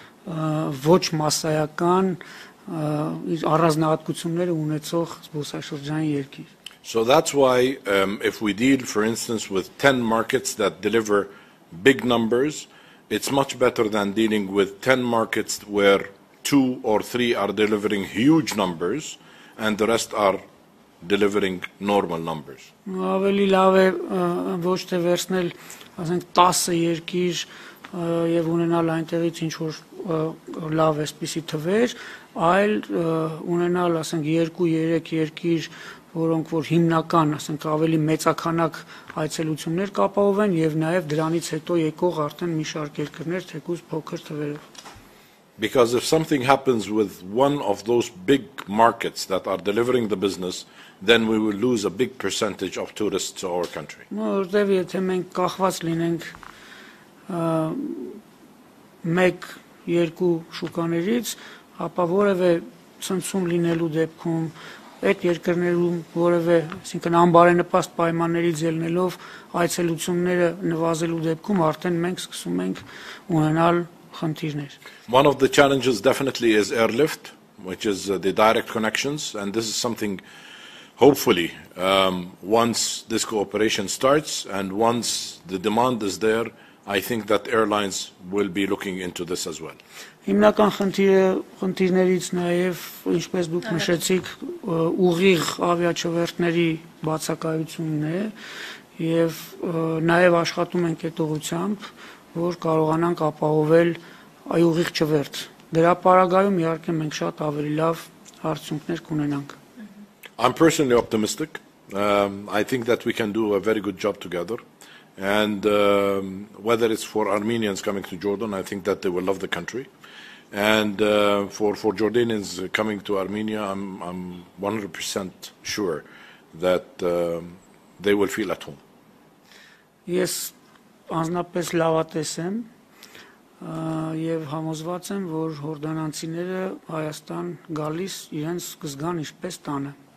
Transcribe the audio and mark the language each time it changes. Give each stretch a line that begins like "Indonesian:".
Armenian: ոչ մասսայական առանձնահատկությունները ունեցող զբոսաշրջային երկիր.
English: So that's why if we deal, for instance, with 10 markets that deliver big numbers, it's much better than dealing with 10 markets where two or three are delivering huge numbers and the rest are delivering normal numbers.
Armenian: Ավելի լավ է ոչ թե վերցնել, ասենք 10 երկիր եւ ունենալ այնտեղից ինչ որ լավ է սպիսի թվեր, այլ ունենալ, ասենք 2-3 երկիր, որոնք որ հիմնական, ասենք ավելի մեծականակ այցելություններ կապահովեն եւ նաեւ դրանից հետո եկող արդեն մի շարք երկրներ թեկուզ փոքր թվերով.
English: Because if something happens with one of those big markets that are delivering the business, then we will lose a big percentage of tourists to our country.
Armenian: Որտեւ եթե մենք կախված լինենք մեկ երկու շուկաներից, ապա որևէ ցնցում լինելու դեպքում այդ երկրներում որևէ, այսինքն անբարենպաստ պայմաններից ելնելով այցելությունները նվազելու դեպքում արդեն մենք սկսում ենք ունենալ խնդիրներ.
English: One of the challenges definitely is airlift, which is the direct connections, and this is something hopefully once this cooperation starts and once the demand is there, I think that airlines will be looking into this as well.
Armenian: Հիմնական խնդիրներից նաև, ինչպես դուք նշեցիք, ուղիղ ավիաչվերթների բացակայությունն է, եւ նաև աշխատում ենք այդ ուղությամբ, որ կարողանանք ապահովել այ ուղիղ չվերթ։ Դրա պարագայում իհարկե մենք շատ ավելի լավ արդյունքներ կունենանք։
English: I'm personally optimistic. I think that we can do a very good job together. And whether it's for Armenians coming to Jordan, I think that they will love the country. And for Jordanians coming to Armenia, I'm 100% sure that they will feel at home.
Armenian: Yes, անձնապես լավատես եմ եւ համոզված եմ, որ հորդանանցիները Հայաստան գալիս իրենց կզգան ինչպես տանը.